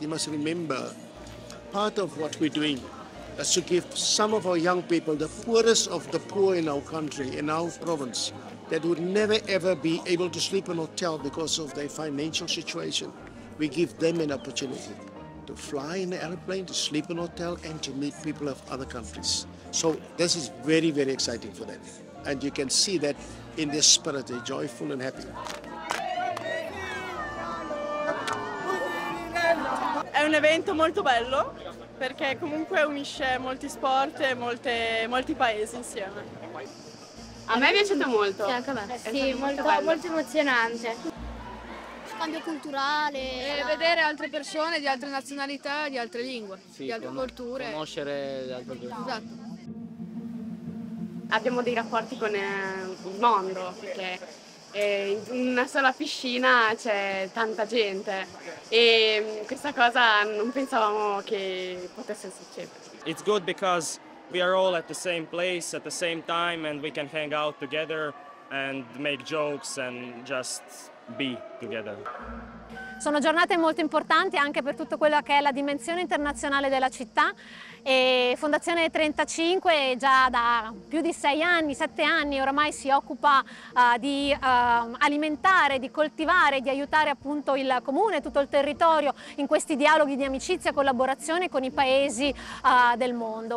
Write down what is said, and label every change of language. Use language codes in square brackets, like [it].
[en] You must remember, part of what we're doing is to give some of our young people, the poorest of the poor in our country, in our province, that would never ever be able to sleep in a hotel because of their financial situation, we give them an opportunity to fly in an airplane, to sleep in a hotel, and to meet people of other countries. So this is very, very exciting for them. And you can see that in their spirit, they're joyful and happy. [it] È un evento molto bello perché comunque unisce molti sport e molti paesi insieme. A me è piaciuto molto. Sì, anche a me. Sì, molto emozionante. Scambio culturale. E vedere altre persone di altre nazionalità, di altre lingue, sì, di altre culture. Conoscere le altre persone. Esatto. Abbiamo dei rapporti con il mondo, perché e in una sola piscina c'è tanta gente e questa cosa non pensavamo che potesse succedere. [en] It's good because we are all at the same place at the same time and we can hang out together and make jokes and just be together. [it] Sono giornate molto importanti anche per tutto quello che è la dimensione internazionale della città. E Fondazione 35 già da più di 7 anni ormai si occupa di alimentare, di coltivare, di aiutare appunto il comune, tutto il territorio in questi dialoghi di amicizia e collaborazione con i paesi del mondo.